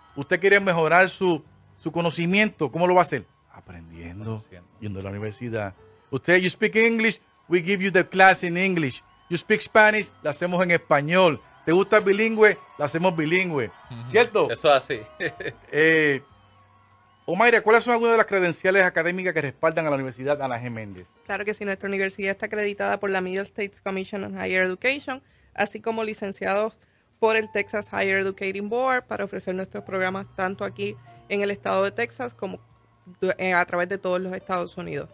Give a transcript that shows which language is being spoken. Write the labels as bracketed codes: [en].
[es] Usted quiere mejorar su conocimiento, ¿cómo lo va a hacer? Aprendiendo, yendo a la universidad. Usted, [en] you speak English, we give you the class in English. You speak Spanish, [es] la hacemos en español. ¿Te gusta bilingüe? La hacemos bilingüe. ¿Cierto? Eso es así. Omaira, ¿cuáles son algunas de las credenciales académicas que respaldan a la Universidad Ana G. Méndez? Claro que sí. Nuestra universidad está acreditada por la Middle States Commission on Higher Education, así como licenciados por el Texas Higher Educating Board para ofrecer nuestros programas tanto aquí en el estado de Texas como a través de todos los Estados Unidos.